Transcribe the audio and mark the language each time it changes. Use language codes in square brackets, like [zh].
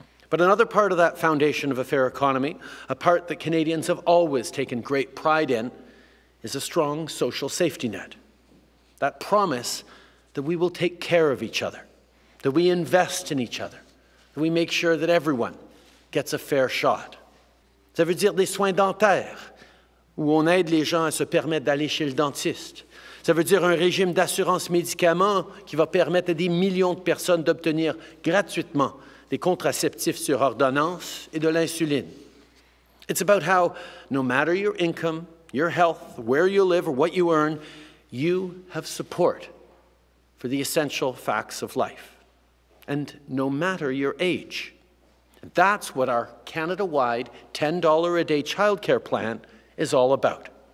[en] But another part of that foundation of a fair economy, a part that Canadians have always taken great pride in, is a strong social safety net. That promise that we will take care of each other, that we invest in each other, that we make sure that everyone gets a fair shot. [fr] Ça veut dire des soins dentaires, où on aide les gens à se permettre d'aller chez le dentiste. Ça veut dire un régime d'assurance médicaments qui va permettre à des millions de personnes d'obtenir gratuitement des contraceptifs sur ordonnance et de l'insuline. [en] It's about how, no matter your income, your health, where you live or what you earn, you have support for the essential facts of life, and no matter your age. That's what our Canada-wide $10 a day childcare plan is all about.